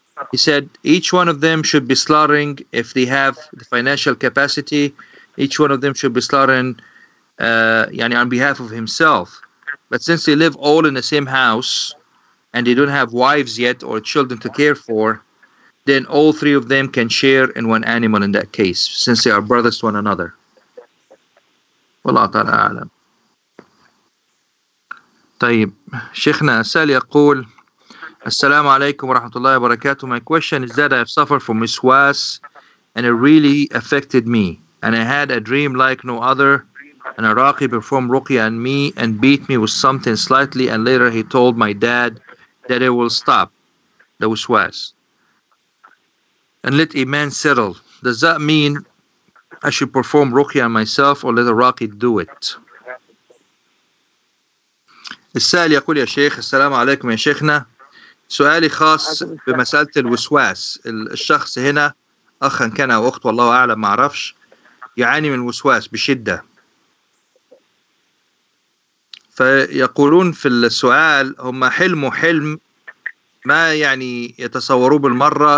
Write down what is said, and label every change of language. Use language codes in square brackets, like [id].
[en] He said each one of them should be slaughtering, if they have the financial capacity, each one of them should be slaughtering yani on behalf of himself. But since they live all in the same house and they don't have wives yet or children to care for, then all 3 of them can share in one animal in that case, since they are brothers to one another. [ar] والله تعالى أعلم. طيب شيخنا سأل يقول: السلام عليكم ورحمة الله وبركاته. [en] My question is that I've suffered from miswas and it really affected me. And I had a dream like no other. An Iraqi performed ruqya on me and beat me with something slightly, and later he told my dad that it will stop the miswas and let Iman settle. Does that mean I should perform ruqya on myself or let Iraqi do it? [ar] السائل يقول: يا شيخ السلام عليكم. يا شيخنا سؤالي خاص بمسألة الوسواس. الشخص هنا أخا كان أو أخت والله أعلم ما أعرفش، يعاني من الوسواس بشدة، فيقولون في السؤال هم حلموا حلم ما يعني يتصوروا بالمرة.